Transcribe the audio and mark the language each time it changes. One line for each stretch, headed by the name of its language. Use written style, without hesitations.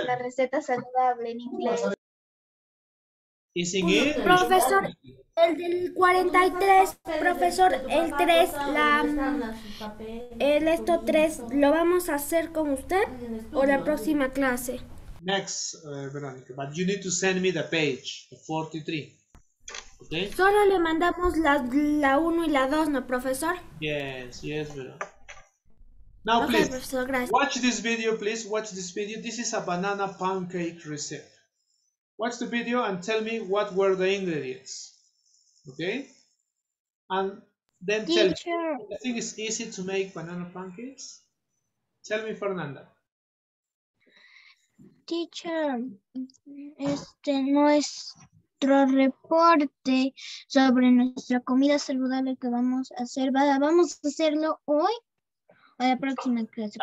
Spanish: la receta saludable en inglés. ¿Es en inglés? Profesor, el del 43, profesor, el 3, la... El esto 3, ¿lo vamos a hacer con usted o la próxima clase?
English: Next, Veronica, but you need to send me the page, the 43, okay?
Spanish: Solo le mandamos la 1 y la 2, ¿no, profesor?
English: Yes, yes, Veronica. Now, okay, please,
Spanish: profesor, gracias.
English: Watch this video, please, watch this video. This is a banana pancake recipe. Watch the video and tell me what were the ingredients, okay? And then teacher, tell me, I think it's easy to make banana pancakes. Tell me, Fernanda. Teacher,
Spanish: este nuestro reporte sobre nuestra comida saludable que vamos a hacer, ¿vamos a hacerlo hoy o la próxima clase,